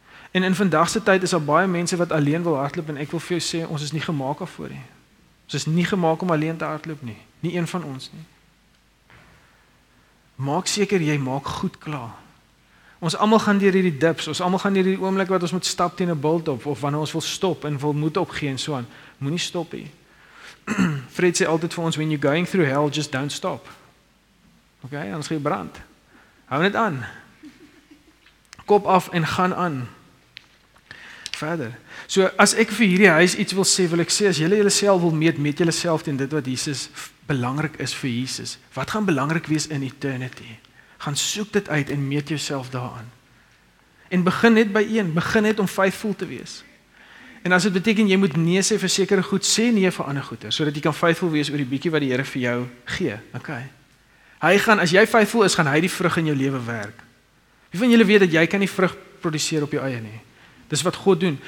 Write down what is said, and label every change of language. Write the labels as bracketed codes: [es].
[af] En in vandagse tyd is daar baie mense wat alleen wil hardloop, en ek wil vir jou sê, ons is nie gemaak daarvoor nie. Ons is nie gemaak om alleen te hardloop nie. Nie een van ons nie. Maak seker, jy maak goed klaar. Ons almal gaan deur hierdie dips, ons almal gaan deur hierdie oomblik wat ons moet stap teen 'n bult op, of wanneer ons wil stop en wil moed opgee en so aan. Moenie stop nie. Fred sê altyd vir ons, [en] when you're going through hell, just don't stop. [af] Okay, anders gaan jy brand. Hou net aan. Kop af en gaan aan. Verder. So as ek vir hierdie huis iets wil sê, wil ek sê, as julle jouself wil meet jouself teen dit wat Jesus belangrik is vir Jesus, wat gaan belangrik wees in eternity? Gaan soek dit uit en meet jouself daaraan. En begin net by een, begin net om faithful te wees. En as dit beteken jy moet nee sê vir sekere goed, sê nee vir ander goeie, sodat jy kan faithful wees oor die bietjie wat die Here vir jou gee. Okay. Hy gaan, as jy faithful is, gaan hy die vrug in jou lewe werk. Wie van julle weet dat jy kan nie vrug produseer op jou eie nie? Dis wat God doen.